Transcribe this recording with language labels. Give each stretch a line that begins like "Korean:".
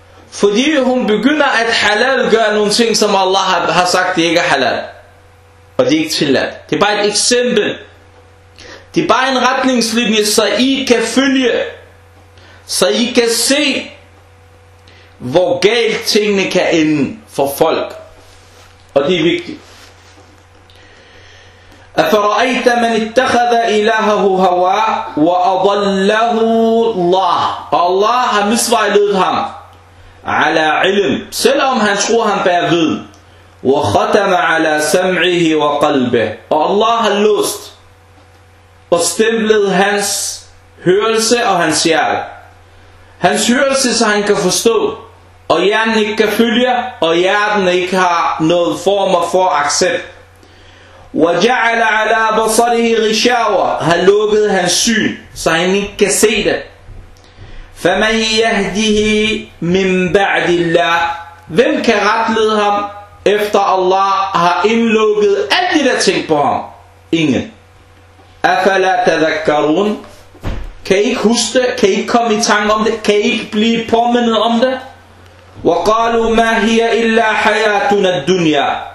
Danish: Fordi hun begynder at halal gøre nogle ting, som Allah har sagt, det ikke er halal. Og det er ikke tilladt. Det er bare et eksempel. Det er bare en retningslinje, så I kan følge. Så I kan se, hvor galt tingene kan ende for folk. Og det er vigtigt.
Arabic: أفرأيت من اتخذ إلهه هوى وأضله الله.
Danish: الله har misvejledet ham.
Arabic: على علم.
Danish: Selvom han tror, han bærer viden.
Arabic: وختم على سمعه وقلبه.
Danish: Og Allah har låst og stemplet hans hørelse og hans hjerte. Hans hørelse, så han kan forstå, og hjernen ikke kan følge, og hjerten ikke har noget form for accept.
Arabic: وجعل على بصره غشاوة.
Danish: Han lukkede hans syn, så han ikke kan se det.
Arabic: فمن يهده من بعد الله.
Danish: Hvem kan retlede ham, efter Allah har indlukket alle de der ting på ham? Ingen.
Arabic: أفلا تذكرون.
Danish: Kan I ikke huske det? Kan I ikke komme i tanke om det? Kan I ikke blive påmindet om det?
Arabic: وقالوا ما هي إلا حياتنا الدنيا.